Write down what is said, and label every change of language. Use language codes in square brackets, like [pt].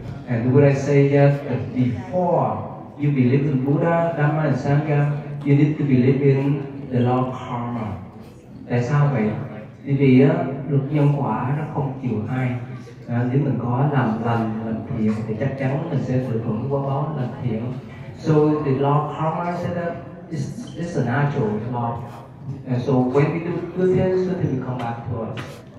[en] And the Buddha says that before you believe in Buddha, Dhamma and Sangha, you need to believe in the law of karma. [vi] Tại sao vậy? Bởi vì luật nhân quả nó không chịu ai. Nếu mình có làm lành, làm thiện thì chắc chắn mình sẽ được hưởng quả báo làm thiện. [en] So the law of karma said that it's a natural law. And so when we do good things, so they will come back to us.